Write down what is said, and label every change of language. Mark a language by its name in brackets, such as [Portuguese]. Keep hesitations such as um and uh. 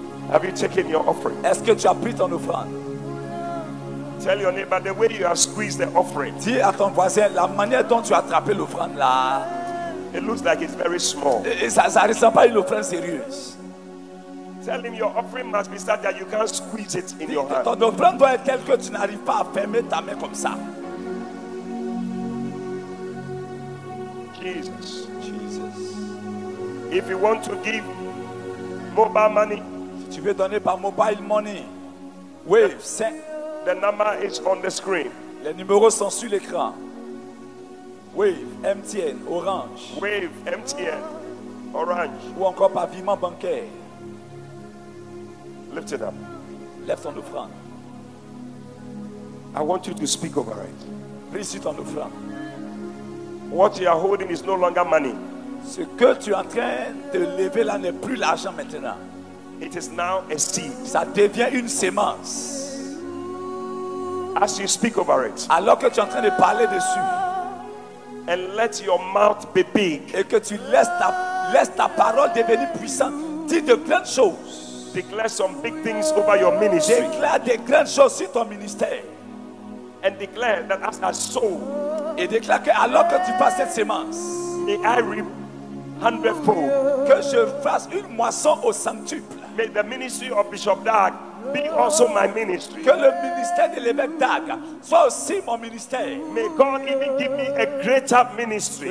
[English] Have you taken your offering? [French] Est-ce que tu as pris ton [English] Tell your neighbor the way you have squeezed the offering. [French] Dis à ton voisin, la manière dont tu as attrapé l'offrande là. [English] It looks like it's very small. [French] ça, ça ressemble pas à une offrande sérieuse. [English] Tell him your offering must be such that you can squeeze it in your hand. [French] Ton offrande doit être quelque que tu n'arrives pas à fermer ta main comme ça. [English] Jesus. If you want to give mobile money, [French] si tu veux donner par mobile money, [English] wave, the, the number is on the screen. [French] Les numéros sont sur l'écran. Wave, MTN, Orange. Wave, MTN, Orange. Ou encore par virement bancaire. [English] Lift it up. Left on the front. I want you to speak over it. Please sit on the offrande. What you are holding is no longer money. [French] Ce que tu es en train de lever là n'est plus l'argent maintenant. [English] It is now a seed. [French] Ça devient une semence. [English] As you speak over it. [French] Alors que tu es en train de parler dessus. [English] And let your mouth be big. [French] Et que tu laisses ta, ta parole devenir puissante. Dis de grandes choses. [English] Declare some [French] Déclare des grandes choses sur ton ministère. [English] And declare that as a soul. [French] Et déclare que alors que tu passes cette semence. [English] May I hundredfold. [French] Que je fasse une moisson au centuple. [English] May the ministry of Bishop Dag be also my ministry. [French] Que le ministère de l'évêque Dag soit aussi mon ministère. [English] May God even give me a greater ministry.